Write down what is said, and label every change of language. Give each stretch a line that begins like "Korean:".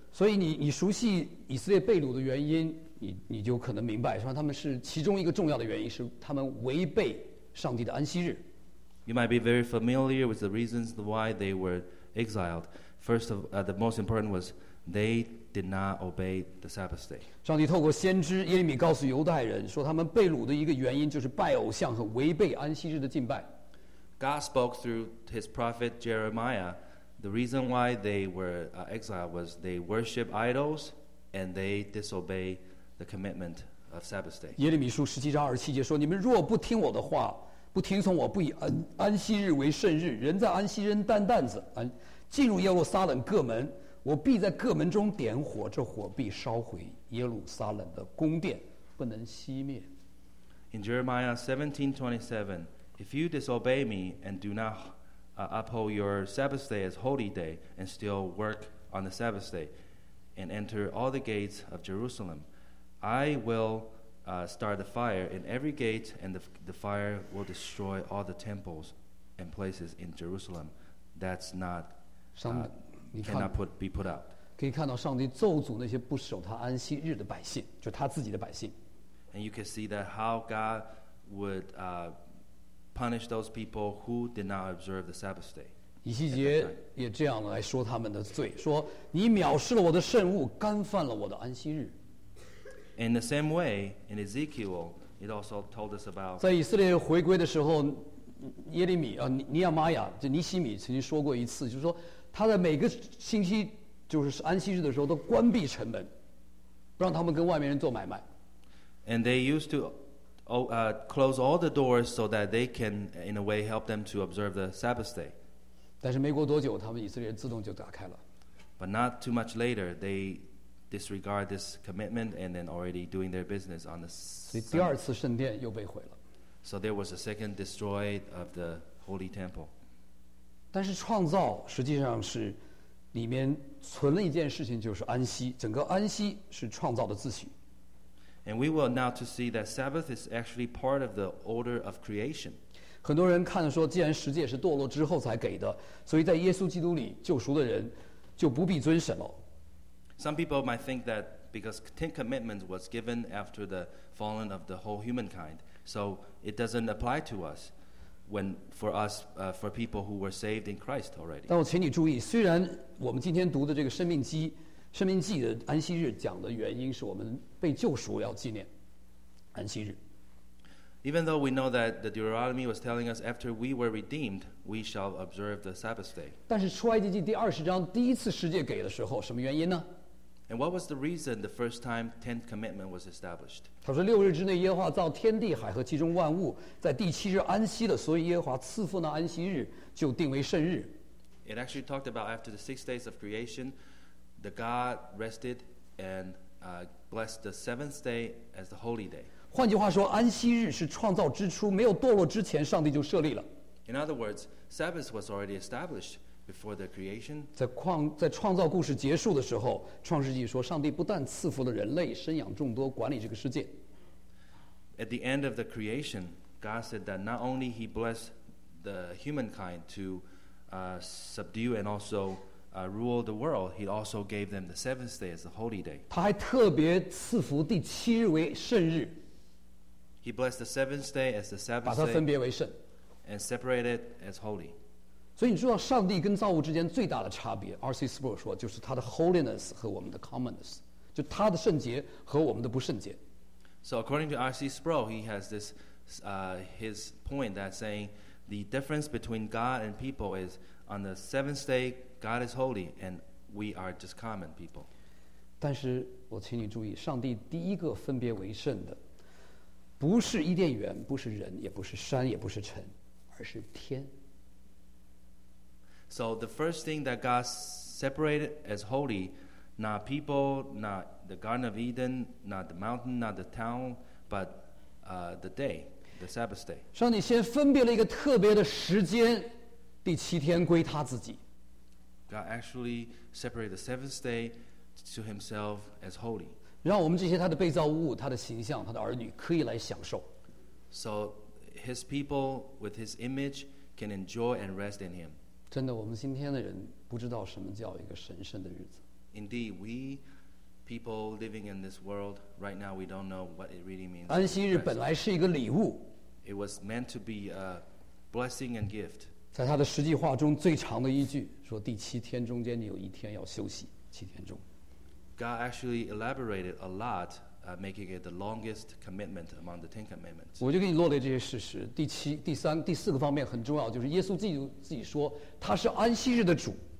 Chinese: 所以你熟悉以色列被掳的原因，你就可能明白，说他们是其中一个重要的原因是他们违背。上帝的安息日。
English: You might be very familiar with the reasons why they were exiled. First of the most important was they did not obey the Sabbath day.
Chinese: 上帝透过先知耶利米告诉犹太人说，他们被掳的一个原因就是拜偶像和违背安息日的敬拜。
English: God spoke through his prophet Jeremiah. The reason why they were exiled was they worship idols and they disobey the commitment.
Chinese: 耶利米书十七章二十七节说：“你们若不听我的话，不听从我，不以安息日为圣日，人在安息扔担担子，进入耶路撒冷各门，我必在各门中点火，这火必烧毁耶路撒冷的宫殿，不能熄灭。”
English: In Jeremiah 17:27, if you disobey me and do not uphold your Sabbath day as holy day, and still work on the Sabbath day, and enter all the gates of Jerusalem. I will start the fire in every gate, and the fire will destroy all the temples and places in Jerusalem. That's not cannot put be put out.
Chinese: 可以看到上帝咒诅那些不守他安息日的百姓，就他自己的百姓。
English: And you can see that how God would punish those people who did not observe the Sabbath day.
Chinese: 以西结也这样来说他们的罪，说你藐视了我的圣物，干犯了我的安息日。
English: In the same way, in Ezekiel, it also told us about.
Chinese: 在以色列回归的时候，耶利米啊，尼亚玛雅，就尼西米曾经说过一次，就是说他在每个星期就是安息日的时候都关闭城门，不让他们跟外面人做买卖。
English: And they used to, close all the doors so that they can, in a way, help them to observe the Sabbath day.
Chinese: 但是没过多久，他们以色列自动就打开了。
English: But not too much later, they. Disregard this commitment and then already doing their business on the Sunday. So there was a second destroy of the Holy Temple.
Chinese: 但是创造实际上是里面存了一件事情，就是安息。整个安息是创造的秩序。
English: And we will now to see that Sabbath is actually part of the order of creation.
Chinese: 很多人看说，既然十诫是堕落之后才给的，所以在耶稣基督里救赎的人就不必遵守了。
English: Some people might think that because Ten Commandments was given after the fallen of the whole humankind, so it doesn't apply to us when for us, for people who were saved in Christ already.
Chinese: 但我请你注意，虽然我们今天读的这个生命记的安息日讲的原因是我们被救赎要纪念安息日。
English: Even though we know that the Deuteronomy was telling us after we were redeemed, we shall observe the Sabbath day.
Chinese: 但是出埃及记第二十章第一次十诫给的时候，什么原因呢？
English: And what was the reason the first time the Tenth Commandment was established?
Chinese: 他说六日之内耶和华造天地海和其中万物，在第七日安息了，所以耶和华赐福那安息日，就定为圣日。
English: It actually talked about after the 6 days of creation, the God rested and blessed the seventh day as the holy day.
Chinese: 换句话说，安息日是创造之初没有堕落之前，上帝就设立了。
English: In other words, Sabbath was already established. Before the creation,
Chinese: 在创造故事结束的时候，创世纪说，上帝不但赐福了人类，生养众多，管理这个世界。
English: At the end of the creation, God said that not only He blessed the humankind to subdue and also rule the world, He also gave them the seventh day as the holy day.
Chinese: 他还特别赐福第七日为圣日。
English: He blessed the seventh day as the Sabbath day.
Chinese: 把它分别为圣。
English: And separated as holy.
Chinese: 所以你知道上帝跟造物之间最大的差别 R.C. Sproul 说就是他的 holiness 和我们的 commonness 就他的圣洁和我们的不圣洁
English: So according to R.C. Sproul he has this his point that saying the difference between God and people is on the seventh day God is holy and we are just common people
Chinese: 但是我请你注意上帝第一个分别为圣的不是伊甸园不是人也不是山也不是城而是天
English: So the first thing that God separated as holy, not people, not the Garden of Eden, not the mountain, not the town, but the day, the Sabbath day.
Chinese: 上帝先分别了一个特别的时间，第七天归他自己。
English: God actually separated the seventh day to himself as holy.
Chinese: 让我们这些他的被造物、他的形象、他的儿女可以来享受。
English: So his people with his image can enjoy and rest in him.
Chinese: 真的，我们今天的人不知道什么叫一个神圣的日子。
English: Indeed, we people living in this world right now, we don't know what it really means.
Chinese: 安息日本来是一个礼物。
English: It was meant to be a blessing and gift.
Chinese: 在他的实际话中最长的一句说：“第七天中间你有一天要休息，七天中。”
English: God actually elaborated a lot, making it the longest commitment among the Ten Commandments.
Chinese: 我就给你罗列这些事实。第七、第三、第四个方面很重要，就是耶稣自己说他是安息日的主。